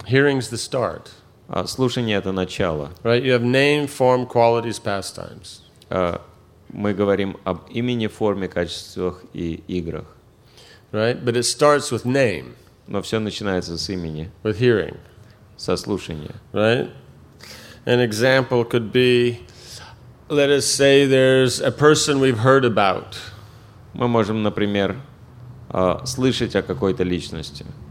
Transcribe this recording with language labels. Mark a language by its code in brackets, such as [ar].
[en] Hearing's the start. [ru] Слушание это начало. [en] Right, you have name, form, qualities, pastimes. [ru] Мы говорим об имени, форме, качествах и играх. [en] Right, but it starts with name. [ru] Но все начинается с имени. [en] With hearing. [ru] Со слушания. [en] Right? An example could be, let us say there's a person we've heard about. [ru] Мы можем, например, слышать о какой-то личности.